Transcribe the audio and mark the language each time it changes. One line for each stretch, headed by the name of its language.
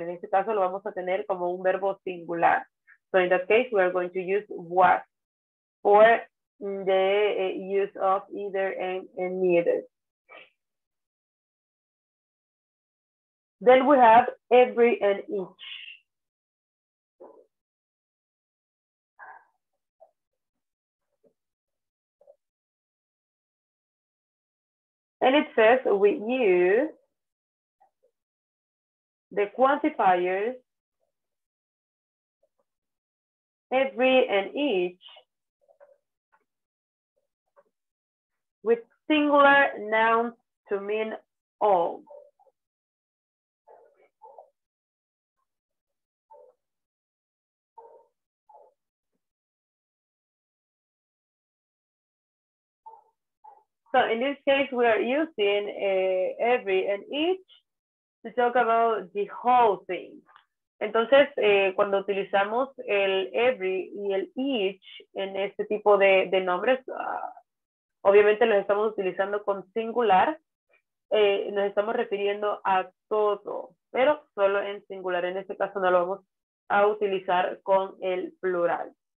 Spanish: En este caso lo vamos a tener como un verbo singular.
English: So in that case, we are going to use what for the use of either and neither. Then we have every and each. And it says we use the quantifiers every and each with singular nouns to mean all. So in this case, we are using every and each to talk about the whole thing.
Spanish: Entonces, cuando utilizamos el every y el each en este tipo de nombres, obviamente los estamos utilizando con singular, nos estamos refiriendo a todo, pero solo en singular. En este caso no lo vamos a utilizar con el plural.